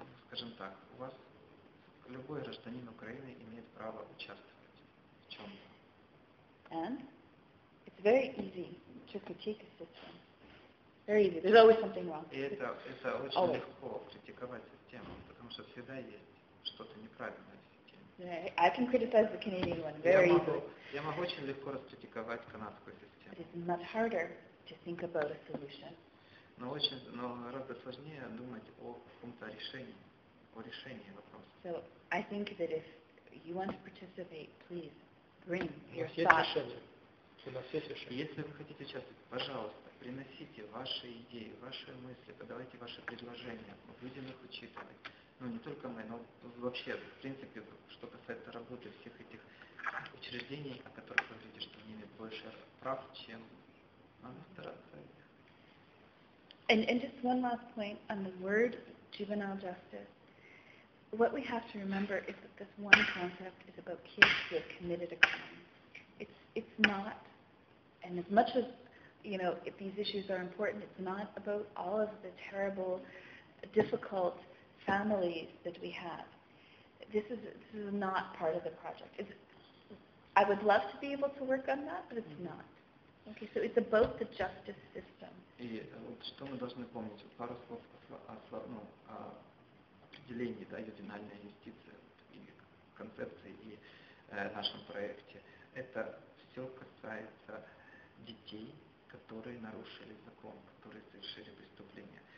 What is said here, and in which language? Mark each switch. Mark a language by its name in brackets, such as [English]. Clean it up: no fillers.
[Russian] Скажем так, у вас любой гражданин Украины имеет право участвовать в чем-то. [English] And it's very easy to critique a system. Very easy. There's always something wrong. [Russian] И это очень [English] always. [Russian] Легко критиковать систему, потому что всегда есть что-то неправильное в системе. [English] Yeah, I can criticize the Canadian one very easily. [Russian] Я могу очень легко раскритиковать канадскую систему. [English] But it's much harder to think about a solution. [Russian] Но гораздо сложнее думать о каком-то решении, о решении вопроса. [English] So I think that if you want to participate, please bring your thoughts. [Russian] У нас есть решение. Если вы хотите участвовать, пожалуйста, приносите ваши идеи, ваши мысли, подавайте ваши предложения, мы будем их учитывать. Ну не только мы, но вообще, в принципе, что касается работы всех этих учреждений, о которых вы говорите, что они имеют больше прав, чем надо стараться. [English] And just one last point on the word juvenile justice. What we have to remember is that this one concept is about kids who have committed a crime. It's not, and as much as, you know, if these issues are important, it's not about all of the terrible, difficult families that we have. This is not part of the project. I would love to be able to work on that, but it's not. Okay, so it's about the justice system. [Russian] И вот что мы должны помнить, пару слов о определении, да, ювенальной юстиции, и концепции, и нашем проекте. Это все касается детей, которые нарушили закон, которые совершили преступление.